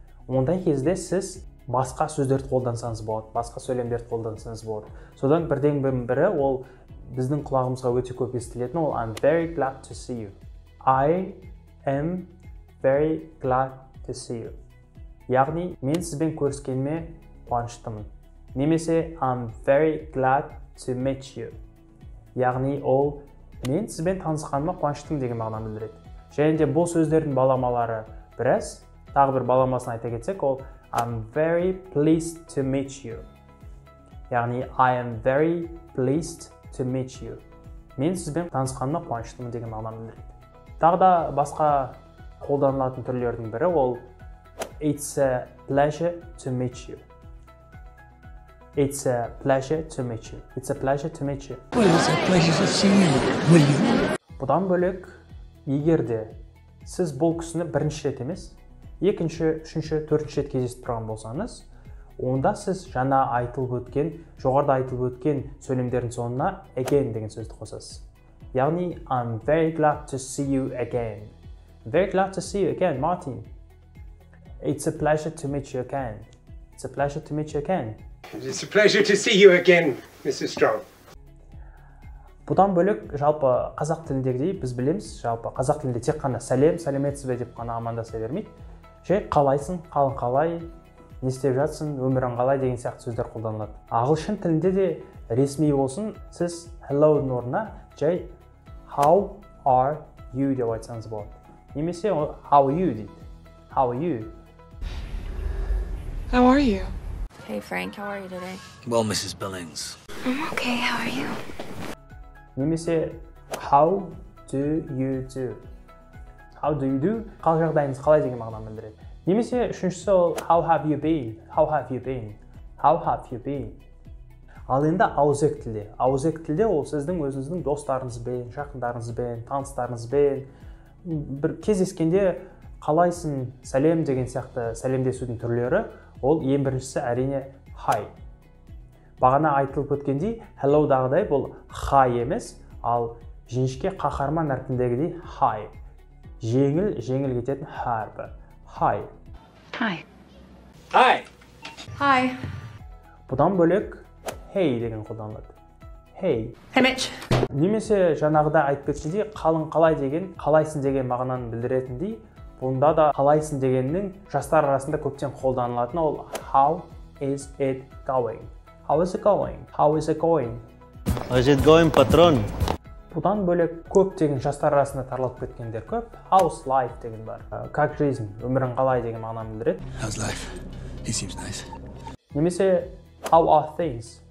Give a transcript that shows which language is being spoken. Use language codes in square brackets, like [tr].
[kk] Ондай кезде сіз басқа сөздерді қолдансаңыз болады, басқа сөйлемдерді қолдансаңыз болады. Содан бірден бірі ол біздің құлағымызға өте көп естілетін ол [en] I'm very glad to see you. I am very glad to see you. [kk] Яғни, мен сізбен көріскеніме қуаныштымын. [en] Немесе, I'm very glad to meet you. [kk] Яғни, ол, мен сізбен танысқаныма қуаныштымын деген мағынаны білдіреді. Және де бұл сөздердің баламалары біраз, тағы бір баламасын айта кетсек, ол [en] I'm very pleased to meet you. Яғни, I am very pleased to meet you. [kk] Мен сізбен танысқаныма қуаныштымын деген мағынаны білдіреді. Тағы да басқа қолданылатын түрлердің бірі ол [en] It's a pleasure to meet you. It's a pleasure to meet you. It's a pleasure to meet you. Well, it's a pleasure to see you, will you? [kk] Бұдан бөлек, егер де сіз бұл кісіні бірінші рет емес, екінші, үшінші, төртінші рет кездесіп тұрған болсаңыз, онда сіз жаңа айтылып өткен, жоғарыда айтылып өткен сөйлемдердің соңына again деген сөзді қосасыз. [en] Яғни, I'm very glad to see you again. Very glad to see you again, Martin. It's a pleasure to meet you again. It's a pleasure to meet you again. It's a pleasure to see you again, Mr. Strong. [kk] Бұдан бөлек, жалпы қазақ тіліндегідей біз білеміз, жалпы қазақ тілінде тек қана сәлем, сәлеметсіз бе деп қана амандаса бермейді. Жай қалайсың, қалың қалай, не істеп жатсың, өмірің қалай деген сияқты сөздер қолданылады. Ағылшын тілінде де ресми болсын, сіз hello-ның орнына жай [en] how are you [kk] деп айтсаңыз болады. [en] Немесе how are you дейді. How are you? How are you? Hey Frank, how are you today? Well, Mrs. Billings. I'm okay, how are you? Немесе, how do you do? How do you do? [kk] Қал жағдайыңыз қалай деген мағынаны білдіреді. Немесе, үшіншісі ол, [en] how have you been? How have you been? How have you been? [kk] Ал енді ауызек тілде. Ауызек тілде ол сіздің өзіңіздің достарыңызбен, жақындарыңызбен, таныстарыңызбен, бір кездескенде қалайсың, сәлем деген сияқты сәлемдесудің түрлері, ол ең біріншісі әрине hi. Бағана айтылып өткендей, hello дағыдай бұл hi емес, ал жіңішке қаһарман әрпіндегідей hi. Жеңіл, жеңіл кететін әрпі. [en] Hi. Hi. Hi. Hi. [kk] Бұдан бөлек hey деген қолданылады. [en] Hey. Hey Mitch. [kk] Немесе жаңағыда айтып кеткендей, қалың қалай деген, қалайсың деген мағынаны білдіретіндей, бұнда да қалайсың дегеннің жастар арасында көптен қолданылатын ол [en] How is it going? How is it going? How is it going? How is it going, патрон? [kk] Бұдан бөлек көптеген жастар арасында таралып кеткендер көп [en] How's life [kk] деген бар. [ru] Как жизнь? [kk] Өмірің қалай деген мағынаны білдіреді. [en] How's life? He seems nice. Немесе How are things?